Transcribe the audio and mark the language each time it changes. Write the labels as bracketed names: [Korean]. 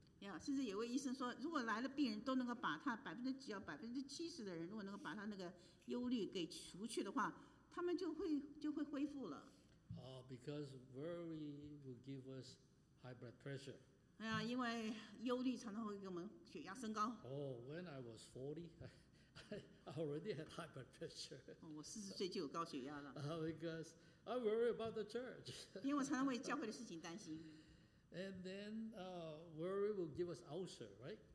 [Chinese] Yeah, 甚至有位医生说，如果来了病人都能够把他70%到70%的人，如果能够把他那个忧虑给除去的话，他们就会恢复了。 [English] Because worry will give us high blood pressure. [Chinese] 哎呀，因为忧虑常常会给我们血压升高。 [English] Oh, when I was 40, I already had high blood pressure. [Chinese] 我40岁就有高血压了。 [English] Because I worry about the church. [Chinese] 因为我常常为教会的事情担心。 [English] And then worry will give us ulcer, right?